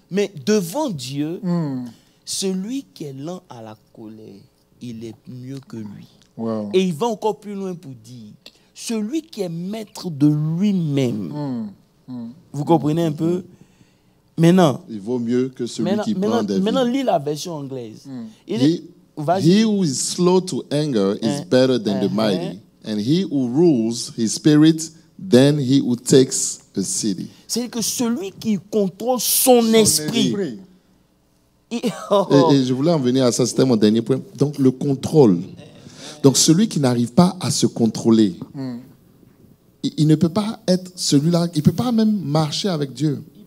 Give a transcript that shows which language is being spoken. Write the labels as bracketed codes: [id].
[fr] Mais devant Dieu, celui qui est lent à la colère, il est mieux que lui. Wow. Et il va encore plus loin pour dire, celui qui est maître de lui-même, vous comprenez un peu? Maintenant, il vaut mieux que celui qui prend des vies. Maintenant, lis la version anglaise. [en] He who is slow to anger is better than the mighty. And he who rules his spirit than he who takes a city. [fr] C'est que celui qui contrôle son esprit. Et je voulais en venir à ça, c'était mon dernier point. Donc, le contrôle. Donc, celui qui n'arrive pas à se contrôler, il ne peut pas être celui-là. Il ne peut pas même marcher avec Dieu.